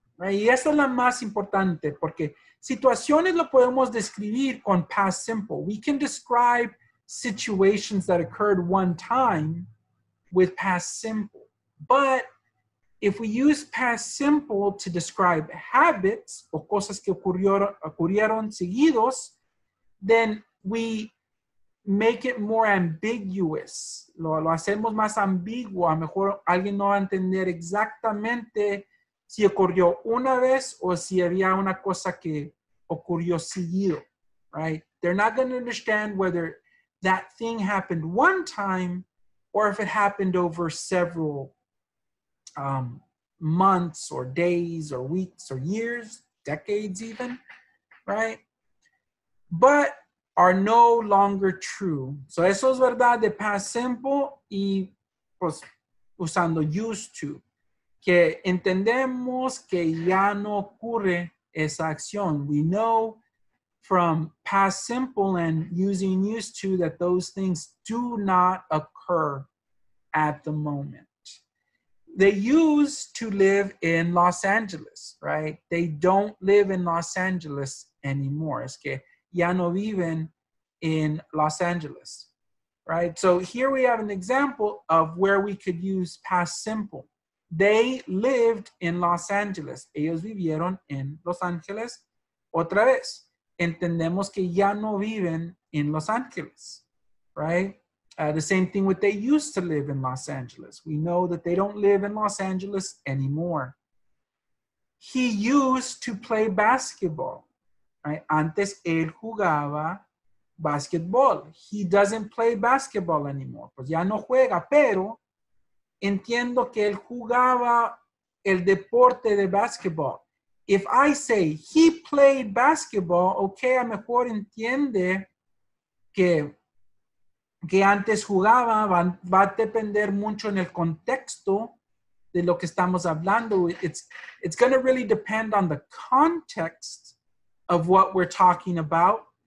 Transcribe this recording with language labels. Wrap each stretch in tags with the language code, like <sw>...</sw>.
<es>Right? Y esa es la más importante porque situaciones lo podemos describir con past simple.</es> <en>We can describe situations that occurred one time with past simple. But if we use past simple to describe habits</en> <es>o cosas que ocurrieron seguidos,</es> <en>then we make it more ambiguous.</en> <es>Lo hacemos más ambiguo. A lo mejor alguien no va a entender exactamente si ocurrió una vez o si había una cosa que ocurrió seguido, right?</es> <en>They're not going to understand whether that thing happened one time or if it happened over several months or days or weeks or years, decades even, right? But are no longer true.</en> <es>So eso es verdad de past simple y pues usando used to. Que entendemos que ya no ocurre esa acción.</es> <en>We know from past simple and using used to that those things do not occur at the moment. They used to live in Los Angeles, right? They don't live in Los Angeles anymore.</en> <es>Es que ya no viven</es> <en>in Los Angeles, right? So here we have an example of where we could use past simple. They lived in Los Angeles.</en> <es>Ellos vivieron en Los Ángeles. Otra vez, entendemos que ya no viven en Los Ángeles, right?</es> <en>The same thing with they used to live in Los Angeles. We know that they don't live in Los Angeles anymore. He used to play basketball, right?</en> <es>Antes él jugaba basketball.</es> <en>He doesn't play basketball anymore.</en> <es>Pues ya no juega, pero entiendo que él jugaba el deporte de basketball.</es> <en>If I say he played basketball, okay,</en> <es>a mejor entiende que antes jugaba, va a depender mucho en el contexto de lo que estamos hablando.</es> <en>It's going to really depend on the context of what we're talking about.</en>